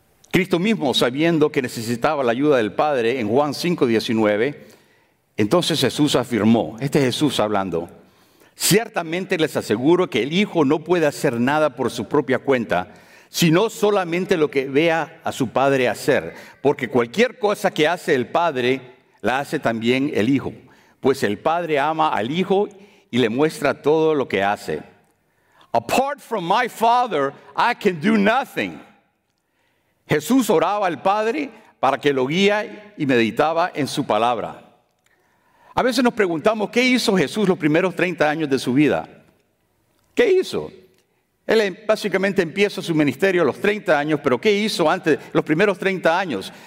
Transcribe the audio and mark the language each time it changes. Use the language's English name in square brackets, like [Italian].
[Spanish] Cristo mismo, sabiendo que necesitaba la ayuda del Padre en Juan 5:19, entonces Jesús afirmó, este es Jesús hablando, ciertamente les aseguro que el Hijo no puede hacer nada por su propia cuenta, sino solamente lo que vea a su Padre hacer, porque cualquier cosa que hace el Padre, la hace también el Hijo, pues el Padre ama al Hijo y le muestra todo lo que hace. [English] Apart from my Father, I can do nothing. [Spanish] Jesús oraba al Padre para que lo guía y meditaba en su palabra. A veces nos preguntamos, ¿qué hizo Jesús los primeros 30 años de su vida? ¿Qué hizo? Él básicamente empieza su ministerio a los 30 años, pero ¿qué hizo antes, los primeros 30 años?